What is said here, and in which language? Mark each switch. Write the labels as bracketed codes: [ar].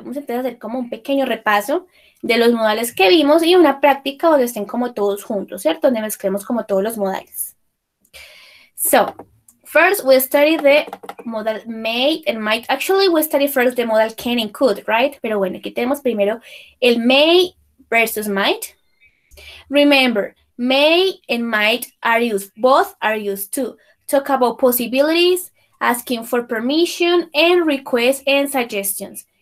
[es] Vamos a empezar a hacer como un pequeño repaso de los modales que vimos y una práctica donde estén como todos juntos, ¿cierto? Donde mezclemos como todos los modales. [en] So, first we study the modal may and might. Actually, we study first the modal can and could, right? [es] Pero bueno, aquí tenemos primero el may versus might. [en] Remember, may and might are used, both are used to talk about possibilities, asking for permission and requests and suggestions.